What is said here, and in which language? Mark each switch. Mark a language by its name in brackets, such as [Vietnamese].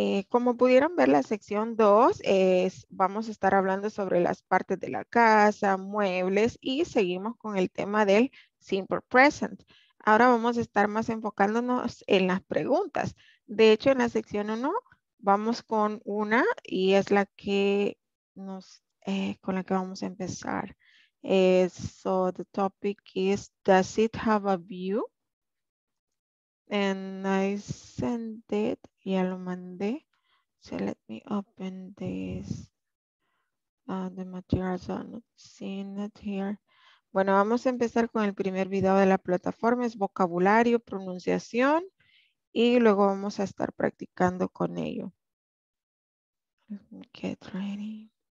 [Spanish] Como pudieron ver, la sección 2 es, vamos a estar hablando sobre las partes de la casa, muebles y seguimos con el tema del simple present. Ahora vamos a estar más enfocándonos en las preguntas. De hecho, en la sección 1, vamos con una y es la que nos, con la que vamos a empezar. [English] So the topic is, does it have a view? And I sent it, [Spanish] ya lo mandé. [English] So let me open this, the materials I'm not seeing it here. [Spanish] Bueno, vamos a empezar con el primer video de la plataforma, es vocabulario, pronunciación y luego vamos a estar practicando con ello. [English] Get ready.